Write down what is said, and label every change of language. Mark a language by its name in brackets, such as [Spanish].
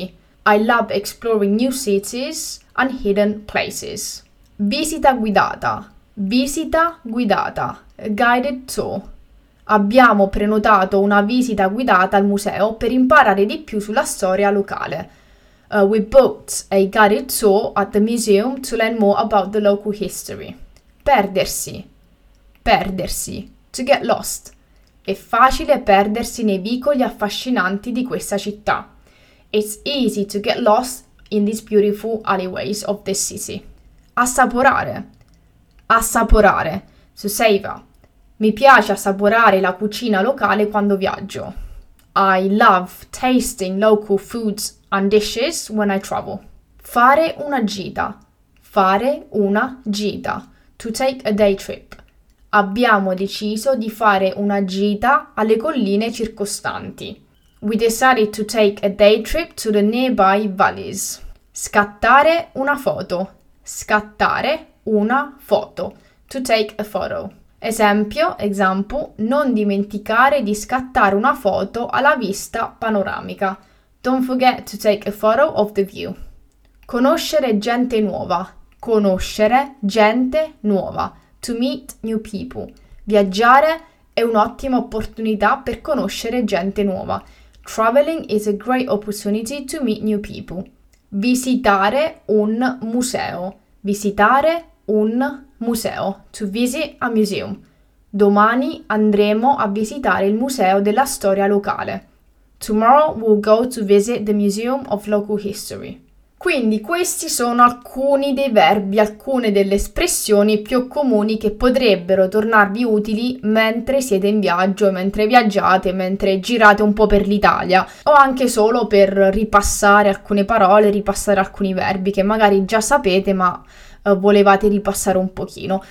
[English] I love exploring new cities and hidden places. [Italian] Visita guidata. Visita guidata. [English] A guided tour. [Italian] Abbiamo prenotato una visita guidata al museo per imparare di più sulla storia locale. [English] We booked a guided tour at the museum to learn more about the local history. Perdersi. perdersi, to get lost. [Italian] È facile perdersi nei vicoli affascinanti di questa città. [English] It's easy to get lost in these beautiful alleyways of this city. [Italian] Assaporare. Assaporare. [English] To savor. [Italian] Mi piace assaporare la cucina locale quando viaggio. [English] I love tasting local foods and dishes when I travel. [Italian] Fare una gita. Fare una gita. [English] To take a day trip. [Italian] Abbiamo deciso di fare una gita alle colline circostanti. [English] We decided to take a day trip to the nearby valleys. [Italian] Scattare una foto. Scattare una foto. [English] To take a photo. [Italian] Esempio, example, non dimenticare di scattare una foto alla vista panoramica. [English] Don't forget to take a photo of the view. [Italian] Conoscere gente nuova. Conoscere gente nuova. [English] To meet new people. [Italian] Viaggiare è un'ottima opportunità per conoscere gente nuova. [English] Traveling is a great opportunity to meet new people. [Italian] Visitare un museo. Visitare un museo. [English] To visit a museum. [Italian] Domani andremo a visitare il museo della storia locale. [English] Tomorrow we'll go to visit the museum of local history. [Italian] Quindi questi sono alcuni dei verbi, alcune delle espressioni più comuni che potrebbero tornarvi utili mentre siete in viaggio, mentre viaggiate, mentre girate un po' per l'Italia o anche solo per ripassare alcune parole, ripassare alcuni verbi che magari già sapete ma volevate ripassare un pochino.